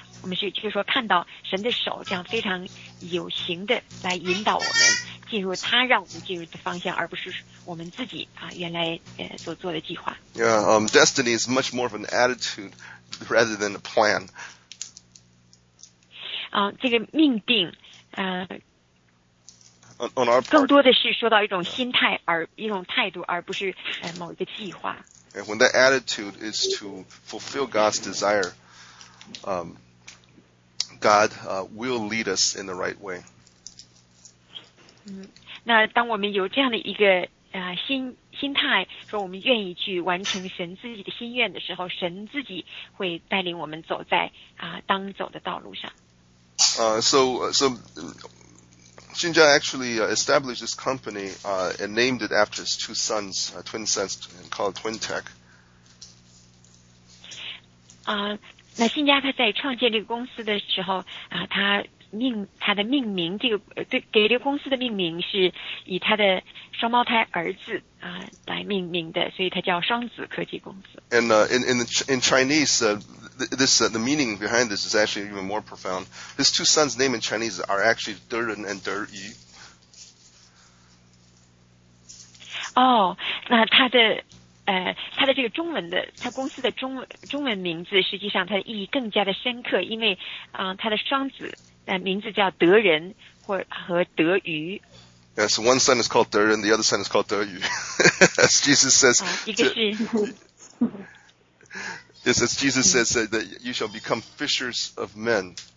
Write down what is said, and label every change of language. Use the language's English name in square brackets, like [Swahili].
[Chinese] 我们是就是说看到神的手这样非常有形的来引导我们进入他让我们进入的方向，而不是我们自己原来所做的计划。 [English] Yeah, destiny is much more of an attitude rather than a plan. [Chinese] 这个命定 [English] on our part, [Chinese] 更多的是说到一种心态而一种态度，而不是某一个计划。 [English] And when that attitude is to fulfill God's desire, God will lead us in the right way. [Chinese] 那当我们有这样的一个心态，说我们愿意去完成神自己的心愿的时候，神自己会带领我们走在当走的道路上。 [English] So Xin Jia actually established this company and named it after his two sons, twin sons, and called TwinTech. [Chinese] 那新加他在创建这个公司的时候他的命名这个对给这个公司的命名是以他的双胞胎儿子来命名的，所以他叫双子科技公司。 [English] And in Chinese, the meaning behind this is actually even more profound. His two sons' name in Chinese are actually De Ren and De Yi. [Chinese] 那他的这个中文的他公司的中文名字实际上他的意义更加的深刻，因为他的双子名字叫德仁和德瑜。 [English] Yes, one son is called 德仁, the other son is called 德瑜. As Jesus says, [Chinese] 一个是 [English] Yes, as Jesus says that you shall become fishers of men.